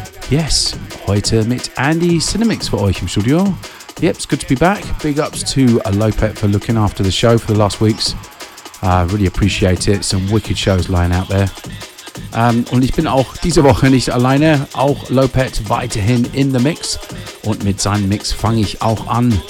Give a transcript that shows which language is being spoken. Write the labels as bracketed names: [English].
[German] Yes, heute mit Andy Cinemix für euch im Studio. [English] Yep, it's good to be back. Big ups to Lopet for looking after the show for the last weeks. Really appreciate it. Some wicked shows lying out there. [German] Und ich bin auch diese Woche nicht alleine. Auch Lopet weiterhin [English] in the mix. [German] Und mit seinem Mix fange ich auch an.